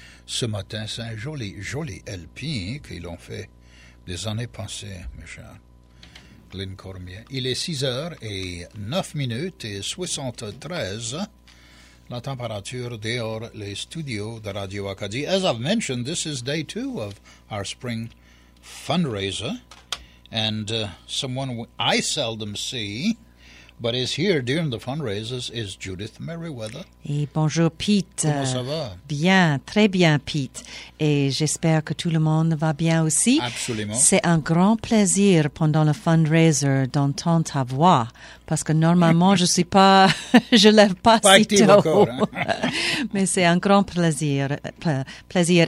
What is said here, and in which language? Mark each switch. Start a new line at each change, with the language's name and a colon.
French: Ce matin, c'est un joli, joli LP qu'ils ont fait des années passées, mes chers. Glenn Cormier. Il est 6h09 et 73. La température dehors les studios de Radio Acadie.
English: As I've mentioned, this is day two of our spring fundraiser. And someone I seldom see, but is here during the fundraisers, is Judith Merriweather.
French: Et bonjour, Pete. Comment ça va? Bien, très bien, Pete. Et j'espère que tout le monde va bien aussi. Absolument. C'est un grand plaisir pendant le fundraiser d'entendre ta voix, parce que normalement, je ne suis pas, je lève pas si tôt. Encore, hein? Mais c'est un grand plaisir, plaisir.